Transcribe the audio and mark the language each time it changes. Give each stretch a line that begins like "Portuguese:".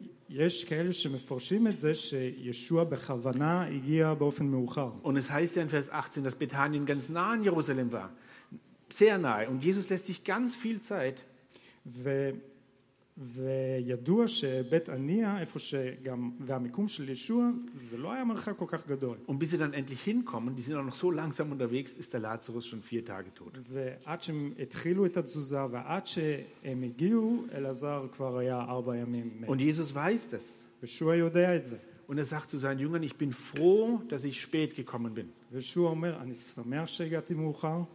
Hebrew: ויש כאלה שמפרשים את זה שישוע בכוונה הגיע באופן מאוחר.
German: Und es heißt ja in Vers 18, dass Bethanien ganz nah an Jerusalem war. Sehr nahe. Und Jesus lässt sich ganz viel Zeit.
Hebrew: וידוע שבית עניה, איפה שגם, והמיקום של ישוע, זה לא היה מרחק כל כך גדול.
German: Und bis sie dann endlich hinkommen, die sind auch noch so langsam unterwegs, ist der Lazarus schon 4 Tage tot.
Hebrew: ועד שהם התחילו את התזוזה, ועד שהם הגיעו, אלעזר כבר היה 4 ימים מת.
German: Und Jesus weiß das.
Hebrew: וישוע יודע את זה.
German: Und er sagt zu seinen Jüngern, ich bin froh, dass ich spät gekommen bin.
Hebrew: וישוע אומר, אני שמח שהגעתי מאוחר.